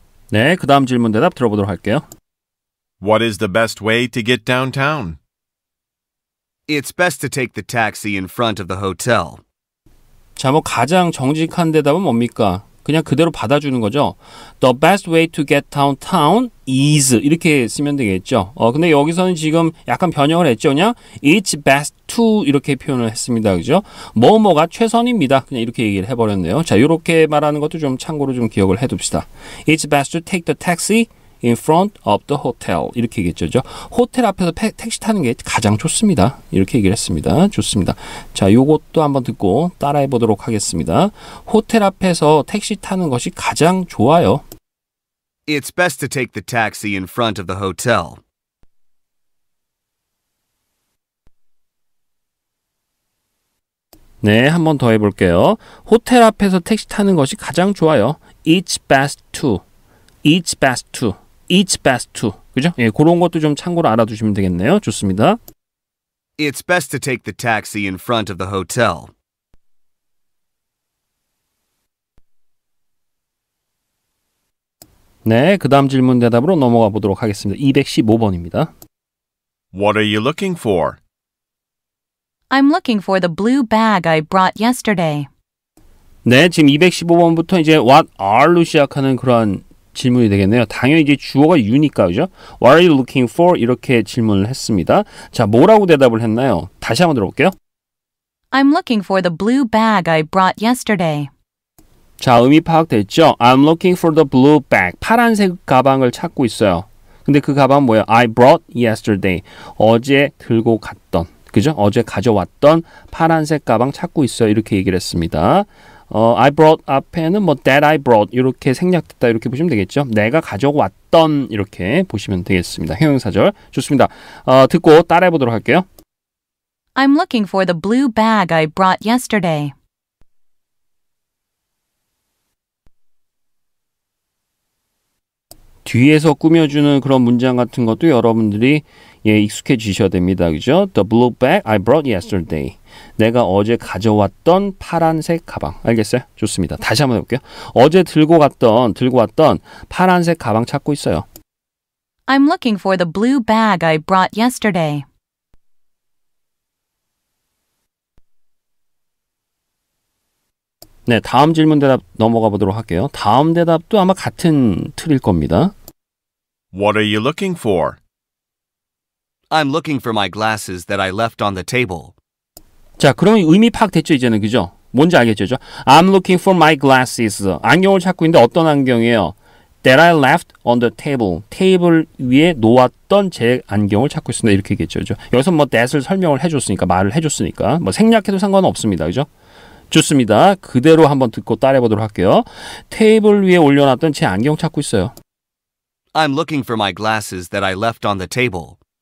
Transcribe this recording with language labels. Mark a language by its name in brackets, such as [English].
[Korean] 네, 그 다음 질문 대답 들어보도록 할게요. [English] What is the best way to get downtown? It's best to take the taxi in front of the hotel. [Korean] 자, 뭐 가장 정직한 대답은 뭡니까? 그냥 그대로 받아주는 거죠. [English] The best way to get downtown is [Korean] 이렇게 쓰면 되겠죠. 근데 여기서는 지금 약간 변형을 했죠. 그냥 [English] it's best to [Korean] 이렇게 표현을 했습니다. 그죠? 뭐뭐가 최선입니다. 그냥 이렇게 얘기를 해버렸네요. 자, 이렇게 말하는 것도 좀 참고로 좀 기억을 해둡시다. [English] It's best to take the taxi in front of the hotel. [Korean] 이렇게 얘기했죠. 호텔 앞에서 택시 타는 게 가장 좋습니다. 이렇게 얘기를 했습니다. 좋습니다. 자, 요것도 한번 듣고 따라해 보도록 하겠습니다. 호텔 앞에서 택시 타는 것이 가장 좋아요. [English] It's best to take the taxi in front of the hotel. [Korean] Hotel 앞에서 택시 타는 것이 가장 좋아요. [English] It's best to. [Korean] 그죠? 예, 그런 것도 좀 참고로 알아두시면 되겠네요. 좋습니다. [English] It's best to take the taxi in front of the hotel. [Korean] 네, 그 다음 질문 대답으로 넘어가 보도록 하겠습니다. 215번입니다. [English] What are you looking for? I'm looking for the blue bag I brought yesterday. [Korean] 네, 지금 215번부터 이제 [English] what are [Korean] 로 시작하는 그런 질문이 되겠네요. 당연히 이제 주어가 you니까, 그죠? [English] What are you looking for? [Korean] 이렇게 질문을 했습니다. 자, 뭐라고 대답을 했나요? 다시 한번 들어볼게요. [English] I'm looking for the blue bag I brought yesterday. [Korean] 자, 의미 파악됐죠? [English] I'm looking for the blue bag. [Korean] 파란색 가방을 찾고 있어요. 근데 그 가방 뭐예요? [English] I brought yesterday. [Korean] 어제 들고 갔던. 그죠? 어제 가져왔던 파란색 가방 찾고 있어요. 이렇게 얘기를 했습니다. [English] I brought [Korean] 앞에는 뭐 [English] that I brought [Korean] 이렇게 생략됐다 이렇게 보시면 되겠죠. 내가 가져왔던 이렇게 보시면 되겠습니다. 형용사절. 좋습니다. 듣고 따라해 보도록 할게요. [English] I'm looking for the blue bag I brought yesterday. [Korean] 뒤에서 꾸며주는 그런 문장 같은 것도 여러분들이 예, 익숙해지셔야 됩니다. 그죠? [English] The blue bag I brought yesterday. [Korean] 내가 어제 가져왔던 파란색 가방. 알겠어요? 좋습니다. 다시 한번 해볼게요. 어제 들고 왔던 파란색 가방 찾고 있어요. [English] I'm looking for the blue bag I brought yesterday. [Korean] 네, 다음 질문 대답 넘어가 보도록 할게요. 다음 대답도 아마 같은 틀일 겁니다. [English] What are you looking for? I'm looking for my glasses that I left on the table. [Korean] 자, 그러면 의미 파악됐죠, 이제는, 그죠? 뭔지 알겠죠, 그죠? [English] I'm looking for my glasses. [Korean] 안경을 찾고 있는데 어떤 안경이에요? [English] That I left on the table. [Korean] 테이블 위에 놓았던 제 안경을 찾고 있습니다. 이렇게 얘기했죠, 그죠? 여기서 뭐 that을 설명을 해줬으니까, 말을 해줬으니까. 뭐 생략해도 상관없습니다, 그죠? 좋습니다. 그대로 한번 듣고 따라해 보도록 할게요. 테이블 위에 올려놨던 제 안경 찾고 있어요. [English] I'm looking for my glasses that I left on the table.